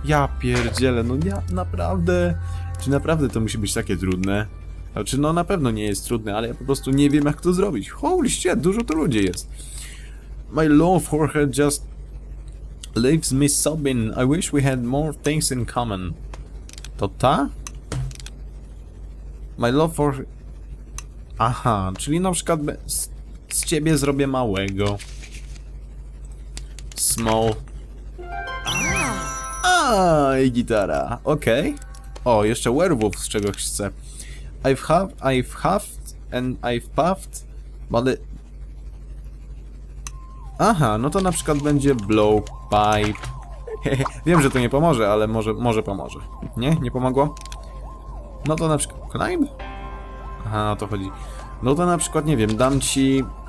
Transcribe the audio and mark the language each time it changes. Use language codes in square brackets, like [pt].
[pl] Ja pierdzielę, no ja naprawdę... Czy naprawdę to musi być takie trudne? Znaczy, no na pewno nie jest trudne, ale ja po prostu nie wiem, jak to zrobić. [en] Holy shit, [pl] dużo to ludzi jest. [en] My love for her just leaves me sobbing. I wish we had more things in common. [pl] To ta? [en] My love for... [pl] Aha, czyli na przykład z ciebie zrobię małego. Small. Ah, i gitara, okej. Okay. O, jeszcze werewolf, z czego chcę. [en] I've huffed and puffed, but it... [pl] Aha, no to na przykład będzie blowpipe. Wiem, że to nie pomoże, ale może pomoże. Nie? Nie pomogło? No to na przykład... Climb? Aha, o to chodzi. No to na przykład, nie wiem, dam ci...